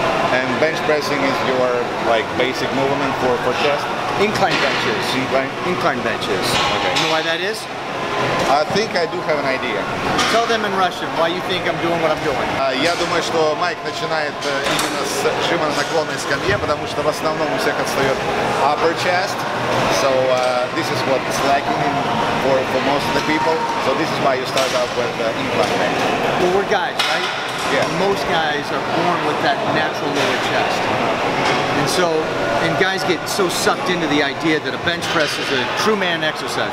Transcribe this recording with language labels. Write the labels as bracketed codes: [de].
[en] And bench pressing is your like basic movement for chest? Incline benches. Incline? Incline benches. Okay. You know why that is? I think I do have an idea. Tell them in Russian why you think I'm doing what I'm doing. [ru] Я думаю, что Майк начинает именно с жима на наклонной скамье, потому что в основном у всех отстает [en] upper chest. So this is what's lacking for most of the people. So this is why you start off with incline bench. Well, we're guys, right? Yeah. Most guys are born with that natural lower chest. And so, and guys get so sucked into the idea that a bench press is a true man exercise.